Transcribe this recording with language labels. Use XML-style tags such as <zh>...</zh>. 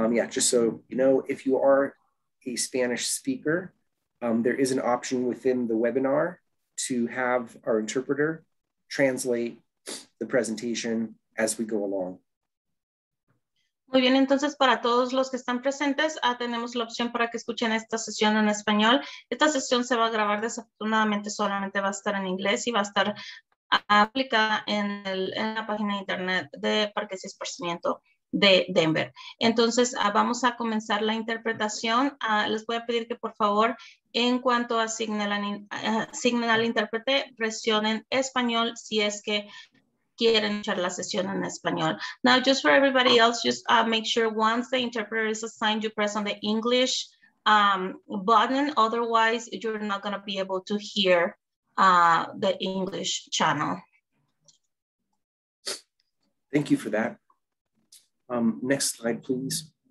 <en>Just so you know, if you are a Spanish speaker, there is an option within the webinar to have our interpreter translate the presentation as we go along.</en> <es>Muy bien, entonces para todos los que están presentes, tenemos la opción para que escuchen esta sesión en español. Esta sesión se va a grabar desafortunadamente, solamente va a estar en inglés y va a estar aplicada en, en la página de internet de Parques y Esparcimiento de Denver. Entonces vamos a comenzar la interpretación. Les voy a pedir que por favor, en cuanto asignen al intérprete, presionen español si es que quieren echar la sesión en español.</es> <en>Now, just for everybody else, just make sure once the interpreter is assigned, you press on the English button. Otherwise, you're not going to be able to hear the English channel. Thank you for that. Next slide, please.</en>